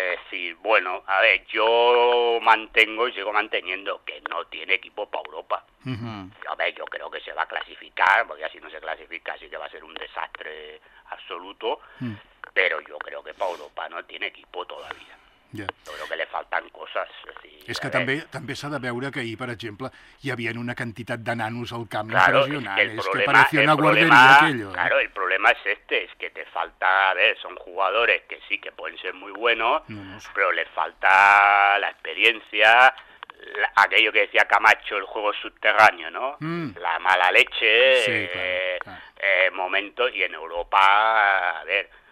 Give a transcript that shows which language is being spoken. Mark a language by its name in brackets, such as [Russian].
[Spanish] Sí, bueno, a ver, yo mantengo y sigo manteniendo que no tiene equipo para Europa. Uh-huh. A ver, yo creo que se va a clasificar, porque si no se clasifica sí que va a ser un desastre absoluto, pero yo creo que para Europa no tiene equipo todavía. Yeah. Yo creo que le faltan cosas. Sí, [Catalan] és que també s'ha de veure que ahir, per exemple, hi havia una quantitat de nanos al camp, [Spanish] claro, [Catalan] impressionant. Que el problema, [Spanish] és que parecia una guarderia aquello. Claro, el problema es este, es que te falta... A ver, son jugadores que sí que pueden ser muy buenos, pero les falta la experiencia, aquello que decía Camacho, el juego subterráneo, ¿no? La mala leche, momento, y en Europa, a ver...